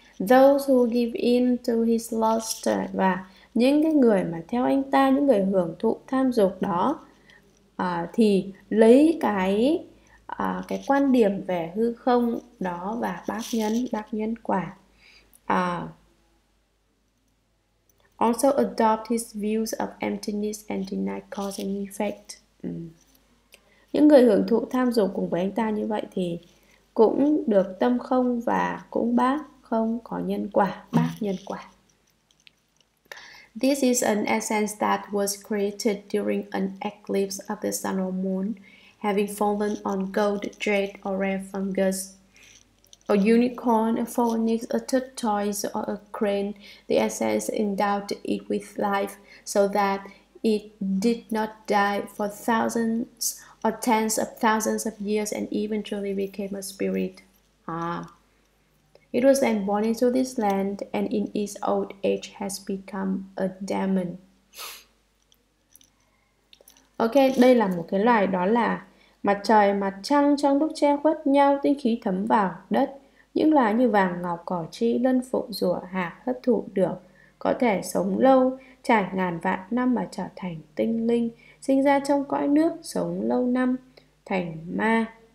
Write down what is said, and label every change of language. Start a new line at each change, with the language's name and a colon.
English: Those who give in to his lust,
Vietnamese: và những cái người mà theo anh ta, những người hưởng thụ tham dục đó, thì lấy cái quan điểm về hư không đó và bác nhân quả.
English: Also adopt his views of emptiness and deny cause and effect.
Vietnamese: Những người hưởng thụ tham dục cùng với anh ta như vậy thì cũng được tâm không và cũng bác không, có nhân quả, bác nhân quả.
English: This is an essence that was created during an eclipse of the sun or moon, having fallen on gold, jade, or rare fungus. A unicorn, a phoenix, a tortoise, or a crane, the essence endowed it with life so that it did not die for thousands or tens of thousands of years and eventually became a spirit. It was then born into this land and in its old age has become a demon.
Vietnamese: Ok, đây là một cái loài, đó là mặt trời, mặt trăng trong lúc che khuất nhau, tinh khí thấm vào đất. Những loài như vàng, ngọc, cỏ, chi, lân, phụng, rùa, hạc hấp thụ được, có thể sống lâu, trải ngàn vạn năm mà trở thành tinh linh, sinh ra trong cõi nước, sống lâu năm, thành ma.